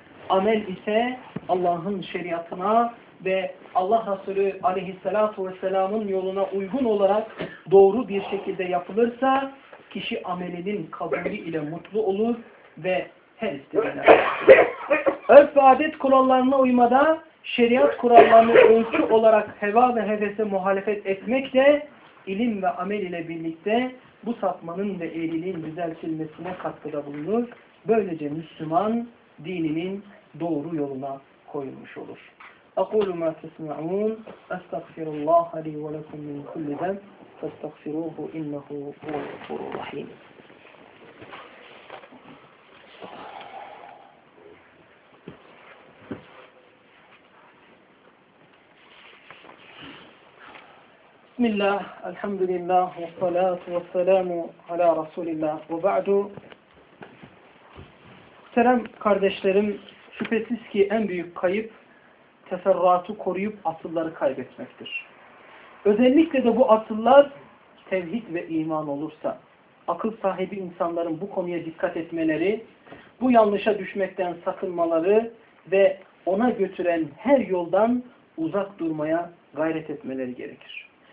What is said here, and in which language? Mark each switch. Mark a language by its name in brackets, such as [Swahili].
[Turkish] Amel ise Allah'ın şeriatına ve Allah Resulü aleyhissalatu vesselamın yoluna uygun olarak doğru bir şekilde yapılırsa kişi amelinin kabulü ile mutlu olur ve her istediğine örf ve adet kurallarına uymada şeriat kurallarını ölçü olarak heva ve hevese muhalefet etmek de ilim ve amel ile birlikte bu sapmanın ve eğriliğin düzeltilmesine katkıda bulunur. Böylece Müslüman dininin doğru yoluna koyulmuş olur. [Arabic] أقول ما تسمعون أستغفر الله لي ولكم من كل ذنب فاستغفروه إنه هو الغفور الرحيم. بسم الله الحمد لله والصلاة والسلام على رسول الله وبعد. [Turkish] Selam kardeşlerim, şüphesiz ki en büyük kayıp teferruatı koruyup asılları kaybetmektir. Özellikle de bu asıllar tevhid ve iman olursa, akıl sahibi insanların bu konuya dikkat etmeleri, bu yanlışa düşmekten sakınmaları ve ona götüren her yoldan uzak durmaya gayret etmeleri gerekir.